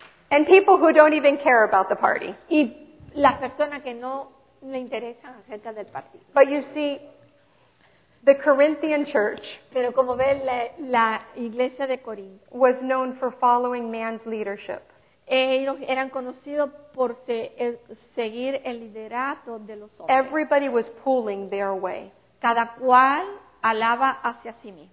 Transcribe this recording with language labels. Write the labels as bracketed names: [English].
[English] And people who don't even care about the party. [Spanish] Las personas que no le interesan acerca del partido. [English] But you see, the Corinthian church, [Spanish] pero como ve la iglesia de Corinto, [English] was known for following man's leadership. [Spanish] Ellos eran conocidos por seguir el liderato de los hombres. [English] Everybody was pulling their way. [Spanish] Cada cual alaba hacia sí mismo.